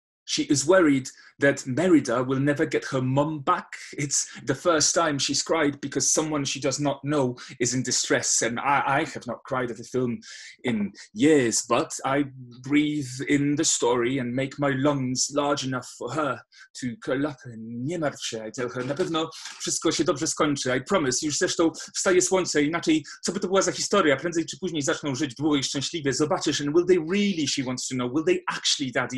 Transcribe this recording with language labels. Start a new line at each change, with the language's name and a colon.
English: She is worried that Merida will never get her mum back. It's the first time she's cried because someone she does not know is in distress. And I have not cried at a film in years, but I breathe in the story and make my lungs large enough for her to curl up.
Polish: Nie martw się,
English: I tell her.
Polish: Na pewno wszystko się dobrze skończy.
English: I promise.
Polish: Już zresztą wstaje słońce. Inaczej, co by to była za historia? Prędzej czy później zaczną żyć długo I szczęśliwie. Zobaczysz.
English: And will they really, she wants to know, will they actually, daddy?